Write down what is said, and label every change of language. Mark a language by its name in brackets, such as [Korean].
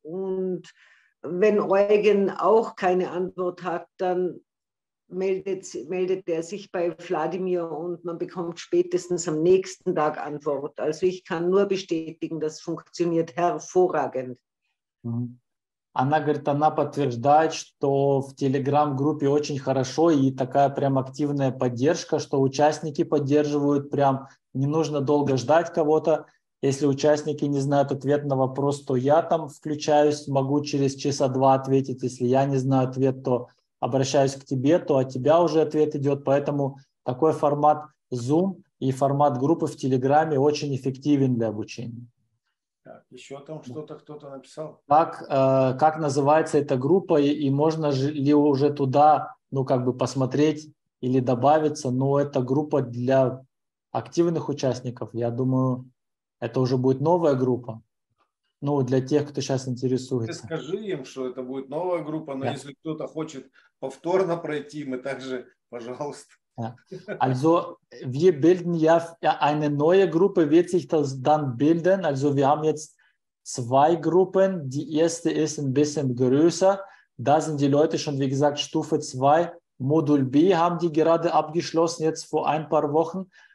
[German] Und wenn Eugen auch keine Antwort hat, dann meldet er sich bei Wladimir und man bekommt spätestens am nächsten Tag Antwort. Also ich kann nur bestätigen, das funktioniert hervorragend. [Russian] Она говорит, она подтверждает, что в Telegram-группе очень хорошо и такая прям активная поддержка, что участники поддерживают прям, не нужно долго ждать кого-то. Если участники не знают ответ на вопрос, то я там включаюсь, могу через часа два ответить. Если я не знаю ответ, то обращаюсь к тебе, то от тебя уже ответ идет. Поэтому такой формат Zoom и формат группы в Телеграме очень эффективен для обучения. Так, еще там что-то кто-то написал. Как называется эта группа и можно ли уже туда, ну, как бы посмотреть или добавиться? Но это группа для активных участников. Я думаю, это уже будет новая группа. Ну, для тех, кто сейчас интересуется. Ты скажи им, что это будет новая группа, но если кто-то хочет повторно пройти, мы также, пожалуйста. [German] Also wir bilden ja eine neue Gruppe, wird sich das dann bilden. Also wir haben jetzt zwei Gruppen. Die erste ist ein bisschen größer. Da sind die Leute schon, wie gesagt, Stufe 2. Modul B haben die gerade abgeschlossen, jetzt vor ein paar Wochen.